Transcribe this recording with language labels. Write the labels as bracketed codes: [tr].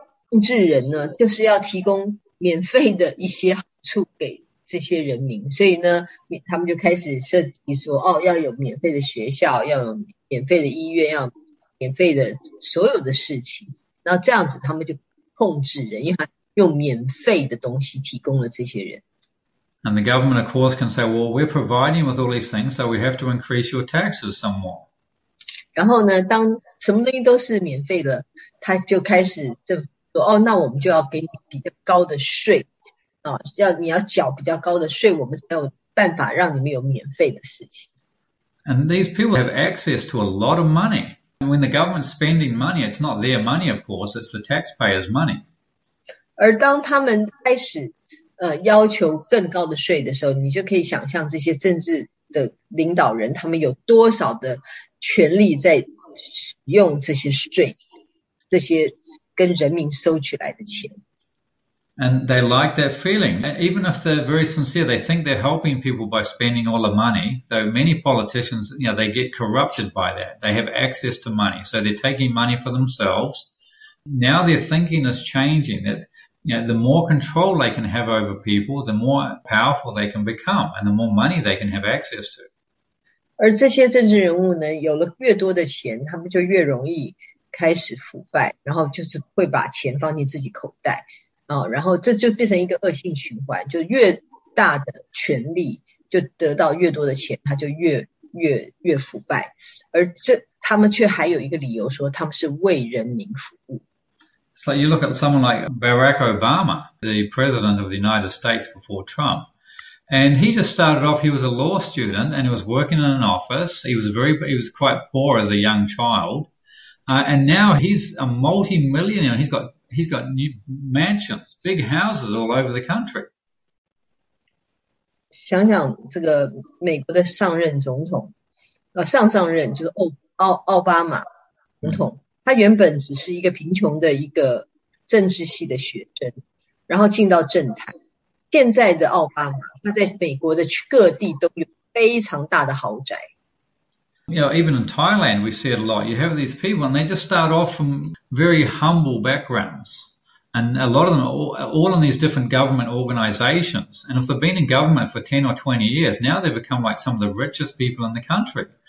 [zh] 控制人呢，就是要提供免费的一些好处给这些人民，所以呢，他们就开始设计说，哦，要有免费的学校，要有免费的医院，要免费的所有的事情，然后这样子他们就控制人，因为他用免费的东西提供了这些人。 [en] And the government, of course, can say, well, we're providing with all these things, so we have to increase your taxes some more. [zh] 然后呢，当什么东西都是免费的，他就开始政府。哦，那我们就要给你比较高的税，啊，要你要缴比较高的税，我们才有办法让你们有免费的事情。 [en] And these people have access to a lot of money. And when the government's spending money, it's not their money, of course, it's the taxpayers' money. [zh] 而当他们开始要求更高的税的时候，你就可以想象这些政治的领导人他们有多少的权力在使用这些税，这些。跟人民收取来的钱， [en] And they like that feeling. Even if they're very sincere, they think they're helping people by spending all the money. Though many politicians, they get corrupted by that. They have access to money. So they're taking money for themselves. Now their thinking is changing that, the more control they can have over people, the more powerful they can become and the more money they can have access to. [zh] 而这些政治人物呢，有了越多的钱，他们就越容易。开始腐败，然后就是会把钱放进自己口袋，啊，然后这就变成一个恶性循环，就越大的权力就得到越多的钱，他就越腐败，而这他们却还有一个理由说他们是为人民服务。 [en] So you look at someone like Barack Obama, the president of the United States before Trump, and he just started off, he was a law student and he was working in an office. He was quite poor as a young child. And now he's a multi-millionaire. He's got new mansions, big houses all over the country. [zh] 想想这个美国的上任总统，上任就是奥巴马总统，他原本只是一个贫穷的一个政治系的学生，然后进到政坛。现在的奥巴马，他在美国的各地都有非常大的豪宅。 [en] Even in Thailand, we see it a lot. You have these people, and they just start off from very humble backgrounds. And a lot of them are all in these different government organizations. And if they've been in government for 10 or 20 years, now they've become like some of the richest people in the country.